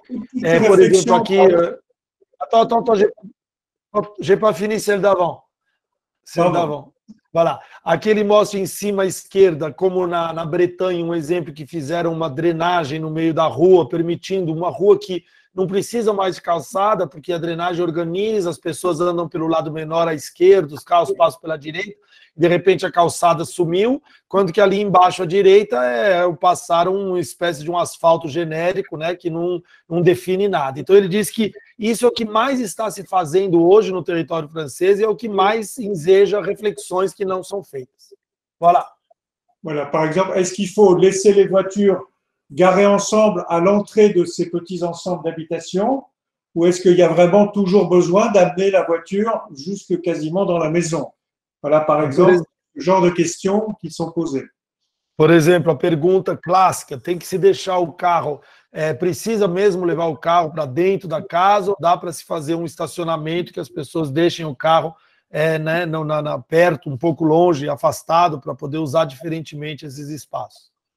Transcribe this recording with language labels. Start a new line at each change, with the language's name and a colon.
French: pour réflexion qui attends, j'ai pas fini celle d'avant. D'avant.
Portuguese: Voilà, aquele mostra em cima à esquerda, como na Bretagne, um exemplo que fizeram uma drenagem no meio da rua, permitindo uma rua que não precisa mais de calçada, porque a drenagem organiza, as pessoas andam pelo lado menor à esquerda, os carros passam pela direita, de repente a calçada sumiu, quando que ali embaixo à direita passaram uma espécie de um asfalto genérico, né, que não define nada. Então ele diz que isso é o que mais está se fazendo hoje no território francês e é o que mais enseja reflexões que não são feitas.
French: Voilà. Voilà, par exemple, est-ce qu'il faut laisser les voitures garés ensemble à l'entrée de ces petits ensembles d'habitation, ou est-ce qu'il y a vraiment toujours besoin d'amener la voiture jusque quasiment dans la maison? Voilà, par exemple, le genre de questions qui sont posées.
Portuguese: Por exemplo, a pergunta clássica, tem que se deixar o carro, precisa mesmo levar o carro para dentro da casa, ou dá para se fazer um estacionamento que as pessoas deixem o carro né, na perto, um pouco longe, afastado, para poder usar diferentemente esses espaços?